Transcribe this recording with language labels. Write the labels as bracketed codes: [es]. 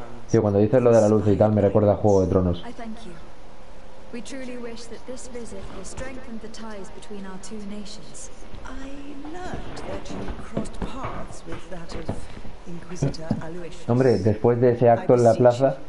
[es] Tío, cuando dices lo de la luz y tal, me recuerda a Juego de Tronos. [en] We truly wish that this visit will strengthen the ties between our two nations. I learned that you crossed paths with that of Inquisitor Aloysius. [es] Hombre, después de ese acto en la plaza,